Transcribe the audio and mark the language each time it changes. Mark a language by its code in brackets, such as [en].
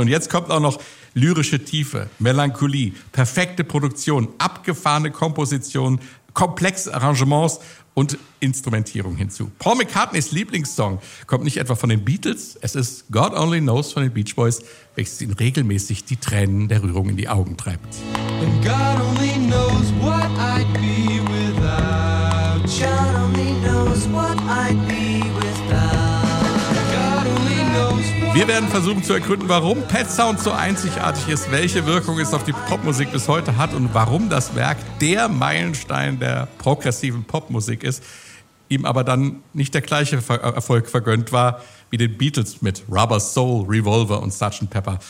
[de] Und jetzt kommt auch noch lyrische Tiefe, Melancholie, perfekte Produktion, abgefahrene Komposition, komplexe Arrangements und Instrumentierung hinzu. Paul McCartneys Lieblingssong kommt nicht etwa von den Beatles, es ist God Only Knows von den Beach Boys, welches ihnen regelmäßig die Tränen der Rührung in die Augen treibt. [en] And God only knows what I'd be without. God only knows what I'd be without. God only knows what. [de] Wir werden versuchen zu ergründen, warum Pet Sounds so einzigartig ist, welche Wirkung es auf die Popmusik bis heute hat und warum das Werk der Meilenstein der progressiven Popmusik ist, ihm aber dann nicht der gleiche Erfolg vergönnt war wie den Beatles mit Rubber Soul, Revolver und Sgt. Pepper.